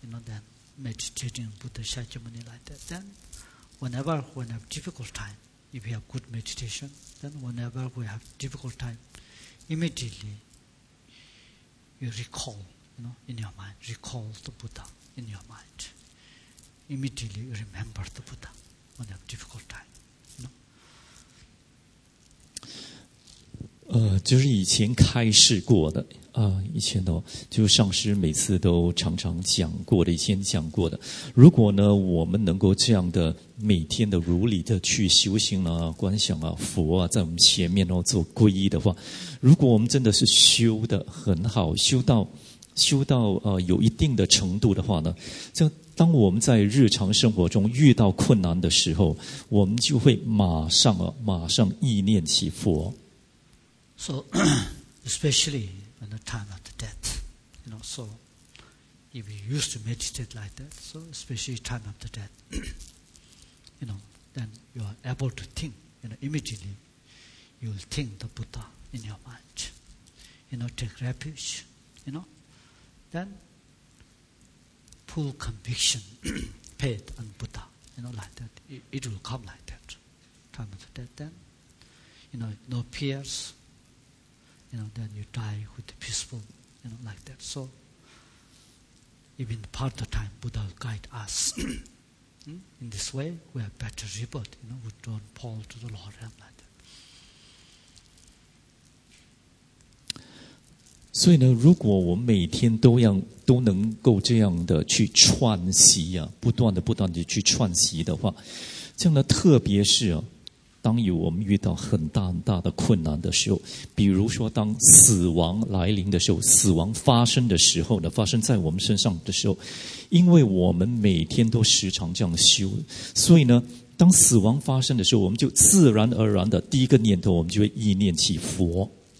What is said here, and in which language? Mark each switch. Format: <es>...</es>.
<en>You know, then meditating Buddha Shakyamuni like that. Then whenever we have difficult time, if we have good meditation, then whenever we have difficult time, immediately you recall. You know, in your mind, recall the Buddha in your mind. Immediately remember the Buddha when you have a difficult time. You know?</en> <zh>就是以前开示过的以前哦，就上师每次都常常讲过的，以前讲过的。如果呢，我们能够这样的每天的如理的去修行啊、观想啊、佛啊，在我们前面哦做皈依的话，如果我们真的是修得很好，修到。修到有一定的程度的话呢，这当我们在日常生活中遇到困难的时候，我们就会马上意念起佛。</zh> <en>So, especially when the time of the death, you know, so if we used to meditate like that, so especially time of the death, you know, then you are able to think, you know, immediately you will think the Buddha in your mind, you know, take refuge, you know, then full conviction paid on Buddha, you know, like that, it will come like that, time of the death, then, you know, no fears, you know, then you die with the peaceful, you know, like that, so even part of the time, Buddha will guide us. In this way, we have better rebirth, you know, we don't fall to the Lord and like that.</en> <zh>所以呢，如果我们每天都能够这样的去串习啊，不断的去串习的话，这样的特别是啊，当有我们遇到很大很大的困难的时候，比如说当死亡来临的时候，死亡发生的时候呢，发生在我们身上的时候，因为我们每天都时常这样修，所以呢，当死亡发生的时候，我们就自然而然的第一个念头，我们就会意念起佛。</zh>